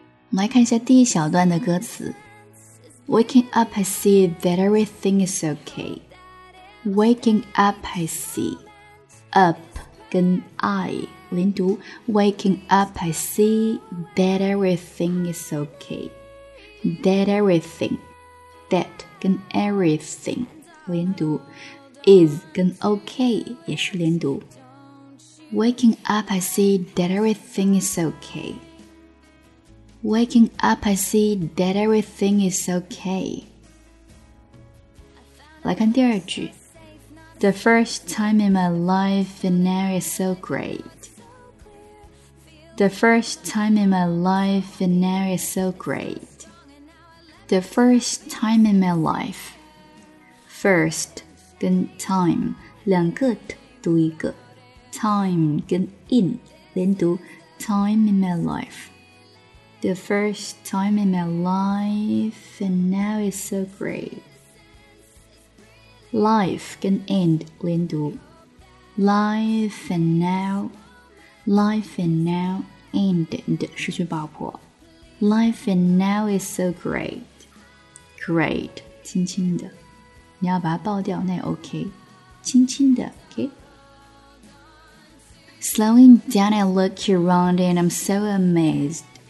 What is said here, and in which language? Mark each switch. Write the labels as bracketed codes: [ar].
[zh] 我们来看一下第一小段的歌词。 [en] Waking up, I see that everything is okay. Waking up, I see. Up [zh] 跟 [en] I [zh] 连读。 [en] Waking up, I see that everything is okay. [zh] That everything. That 跟 everything 连读。 Is 跟 okay 也是连读。 [en] Waking up, I see that everything is okay. Waking up, I see that everything is okay. [zh] 来看第二句。 [en] The first time in my life and now it's so great. The first time in my life and now it's so great. The first time in my life. First [zh] 跟 [en] time [zh] 两个 t 读一个。 [en] Time [zh] 跟 [en] in [zh] 连读。 [en] Time in my life. The first time in my life, and now it's so great. Life can end, [zh] 连读 [en] Life and now, life and now, end, [zh] 失去爆破 [en] Life and now is so great. [zh] Great, 轻轻的你要把它爆掉那也 OK 轻轻的 OK? [en] Slowing down, I look around and I'm so amazed.